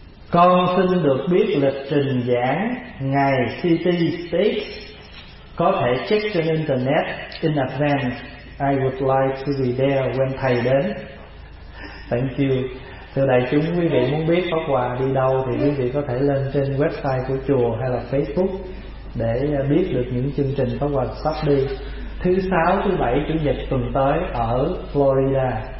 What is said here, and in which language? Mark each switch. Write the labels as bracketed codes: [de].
[vi] Con xin được biết lịch trình giảng ngày City Speaks, có thể check trên internet [en] in advance. I would like to be there when [vi] thầy đến. [en] Thank you. [vi] Thưa đại chúng, quý vị muốn biết Pháp Hòa đi đâu thì quý vị có thể lên trên website của chùa hay là Facebook để biết được những chương trình Pháp Hòa sắp đi. Thứ sáu, thứ bảy, chủ nhật tuần tới ở Florida.